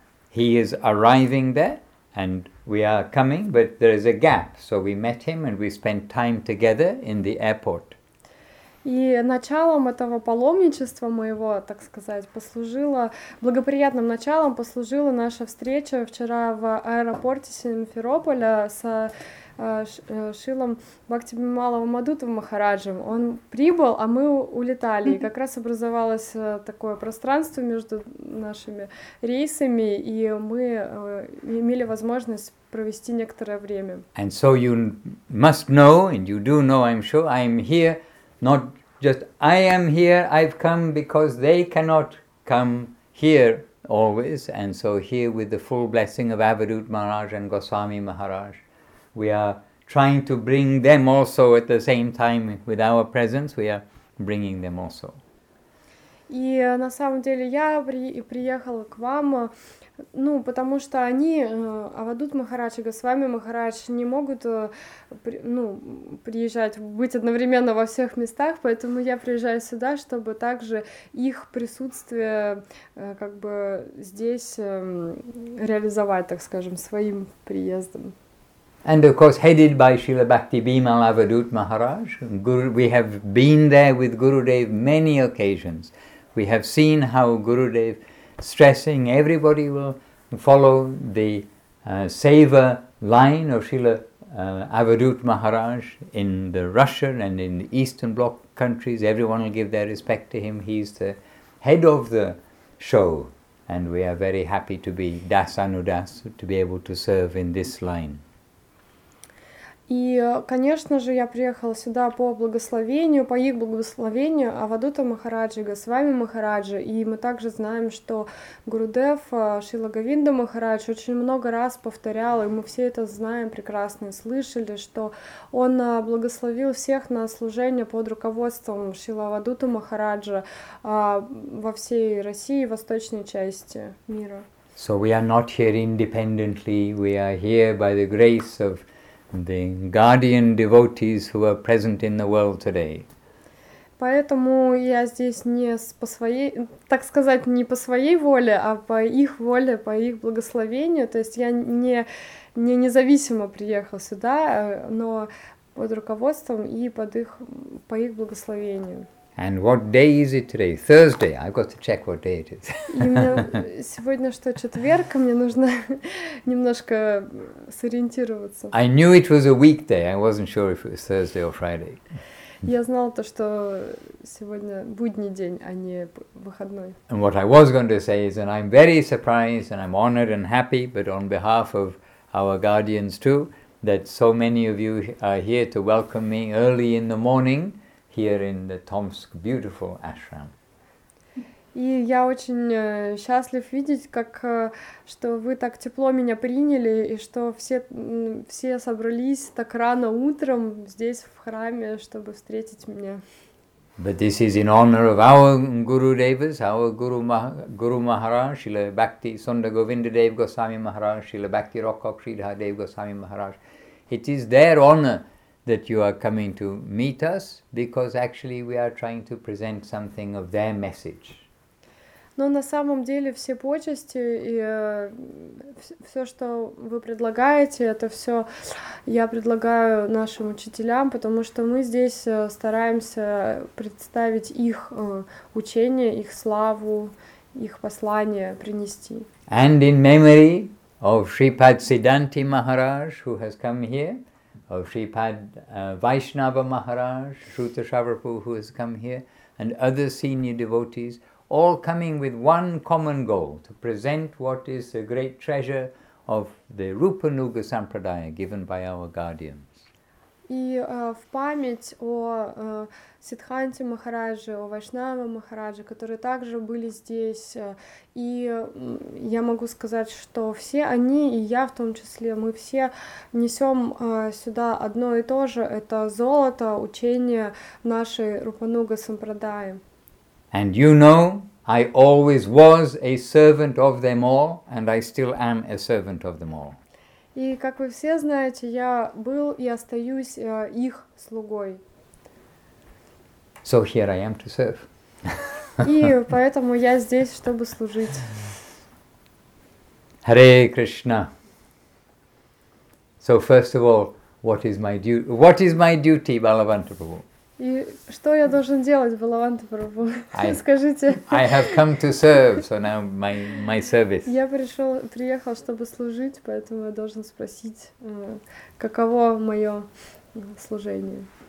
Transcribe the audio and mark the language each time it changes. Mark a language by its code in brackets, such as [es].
[en] He is arriving there, and we are coming, but there is a gap. So we met him and we spent time together in the airport. [ru] И началом этого паломничества моего, так сказать, благоприятным началом послужила наша встреча вчера в аэропорте Симферополя с Шилом Бхактибималом Мадутовым Махараджем. Он прибыл, а мы улетали. И как раз образовалось такое пространство между нашими рейсами, и мы имели возможность провести некоторое время. [en] And so you must know, and you do know, I'm sure, I am here, not just I am here, I've come because they cannot come here always. And so here with the full blessing of Avadhut Maharaj and Goswami Maharaj, we are trying to bring them also at the same time with our presence, we are bringing them also. [ru] И на самом деле я приехала к вам, ну, потому что они, Авадут Махарадж и Госвами Махарадж, не могут, ну, приезжать, быть одновременно во всех местах, поэтому я приезжаю сюда, чтобы также их присутствие, как бы здесь, реализовать, так скажем, своим приездом. [en] And of course, headed by Srila Bhakti Bimala Avadhut Maharaj, Guru, we have been there with Gurudev many occasions. We have seen how Gurudev, stressing everybody will follow the seva line of Srila Avadhut Maharaj in the Russian and in the Eastern Bloc countries. Everyone will give their respect to him. He's the head of the show, and we are very happy to be Das Anudas, to be able to serve in this line. [ru] И, конечно же, я приехала сюда по благословению, по их благословению, Авадута Махараджи, Госвами Махараджи. И мы также знаем, что Гурудев, Шрила Говинда Махарадж, очень много раз повторял, и мы все это знаем прекрасно и слышали, что он благословил всех на служение под руководством Шрила Авадута Махараджа во всей России, восточной части мира. [en] So we are not here independently, we are here by the grace of the guardian devotees who are present in the world today. [ru] Поэтому я здесь не по своей, так сказать, не по своей воле, а по их воле, по их благословению. То есть я не независимо приехал сюда, но под руководством и по их благословению. [en] And what day is it today? Thursday. I've got to check what day it [ru] И мне [en] is. [ru] сегодня что, четверг, мне нужно немножко сориентироваться. [en] I knew it was a weekday. I wasn't sure if it was Thursday or Friday. [ru] Я знала то, что сегодня будний день, а не выходной. [en] And what I was going to say is that I'm very surprised and I'm honored and happy, but on behalf of our guardians too, that so many of you are here to welcome me early in the morning. Here in the Tomsk beautiful ashram. [ru] И я очень счастлив видеть, как что вы так тепло меня приняли, и что все собрались так рано утром здесь, в храме, чтобы встретить меня. [en] But this is in honor of our Guru Devas, our Guru Maharaj, Srila Bhakti Sunda Govinda Dev Goswami Maharaj, Srila Bhakti Rokok Sridhar Dev Goswami Maharaj. It is their honor that you are coming to meet us because actually we are trying to present something of their message. [ru] Но на самом деле все почести и все, что вы предлагаете, это все я предлагаю нашим учителям, потому что мы здесь стараемся представить их учение, их славу, их послание принести. [en] And in memory of Shripad Siddhanti Maharaj, who has come here, of Shripad Vaishnava Maharaj, Shruta Shravarupa, who has come here, and other senior devotees, all coming with one common goal, to present what is the great treasure of the Rupanuga Sampradaya given by our guardians. [ru] И в память о Сиддханте Махарадже, о Вайшнаве Махарадже, которые также были здесь. И я могу сказать, что все они, и я в том числе, мы все несем сюда одно и то же. Это золото, учение нашей Рупануга Сампрадаи. [en] And you know, I always was a servant of them all, and I still am a servant of them all. [ru] И, как вы все знаете, я был и остаюсь их слугой. [en] So here I am to serve. [ru] И поэтому я здесь, чтобы служить. [en] Hare Krishna. So first of all, what is my duty, Balavanta Prabhu? [ru] И что я должен делать, Балаванта Прабху? Скажите. [en] I have come to serve, so now my service. [ru] Я приехал, чтобы служить, поэтому я должен спросить, каково мое служение.